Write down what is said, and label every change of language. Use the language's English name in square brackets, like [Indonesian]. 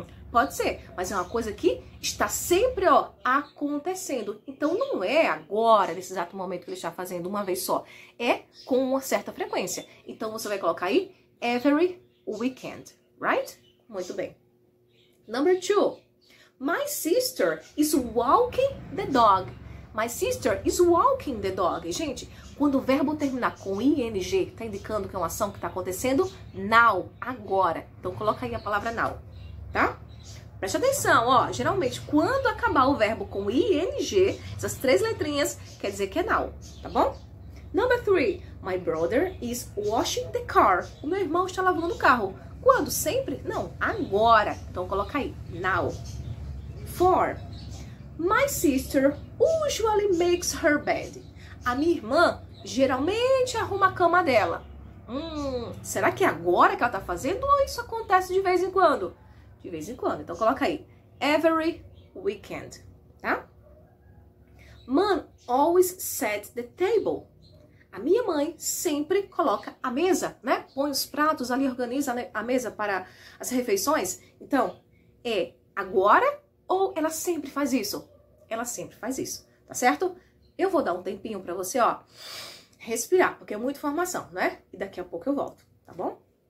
[Portuguese] Pode ser, mas é uma coisa que está sempre, ó, acontecendo. Então não é agora, nesse exato momento que ele está fazendo uma vez só. É com uma certa frequência. Então você vai colocar aí [English] every weekend, right? [Portuguese] Muito bem. [English] Number two. My sister is walking the dog. My sister is walking the dog. [Portuguese] Gente, quando o verbo terminar com ing, tá indicando que é uma ação que está acontecendo now, agora. Então coloca aí a palavra now, tá? Presta atenção, ó. Geralmente, quando acabar o verbo com ing, essas três letrinhas, quer dizer que é now, tá bom? [English] Number three. My brother is washing the car. [Portuguese] O meu irmão está lavando o carro. Quando? Sempre? Não, agora. Então coloca aí, now. Four. [English] My sister usually makes her bed. [Portuguese] A minha irmã geralmente arruma a cama dela. Será que é agora que ela tá fazendo ou isso acontece de vez em quando? De vez em quando. Então coloca aí. [English] Every weekend, [Portuguese] tá? [English] Mom always sets the table. [Portuguese] A minha mãe sempre coloca a mesa, né? Põe os pratos ali, organiza a mesa para as refeições. Então, é agora ou ela sempre faz isso? Ela sempre faz isso, tá certo? Eu vou dar um tempinho para você, ó, respirar, porque é muita informação, né? E daqui a pouco eu volto, tá bom?